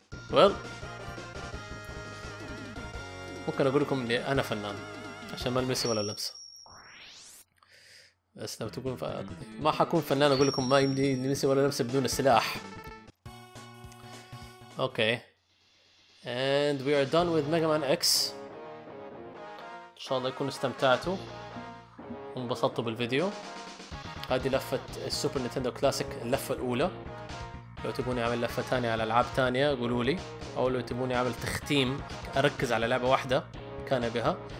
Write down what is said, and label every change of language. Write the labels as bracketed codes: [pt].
[ar] well, ممكن أقول لكم إني أنا فنان عشان ما لمسني ولا لمسة، بس لو تقول ما حكون فنان أقول لكم ما يمدي لمسني ولا لمسة بدون السلاح. أوكي okay. [en] And we are done with Mega Man X. [ar] إن شاء الله يكون استمتعتوا وانبسطتوا بالفيديو. هذه لفة السوبر نينتندو كلاسيك، اللفة الأولى. لو تبوني أعمل لفة تانية على ألعاب تانية قولوا لي، أو لو تبوني أعمل تختيم أركز على لعبة واحدة كان بها.